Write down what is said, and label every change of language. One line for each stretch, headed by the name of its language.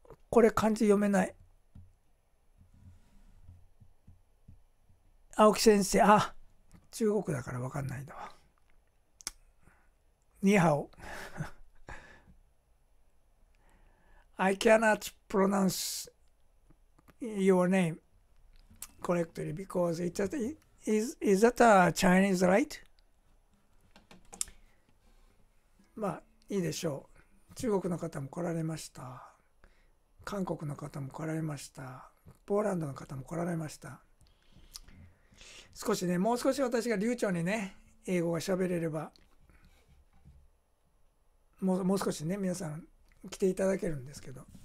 Japanese: これ漢字読めない、青木先生、あ、中国だから分かんないだわ。
English: ニハオI cannot pronounce your name correctly because is that a Chinese right?
Japanese: まあいいでしょう。中国の方も来られました。韓国の方も来られました。ポーランドの方も来られました。少しね、もう少し私が流暢にね、英語が喋れれば、もう少しね、皆さん来ていただけるんですけど。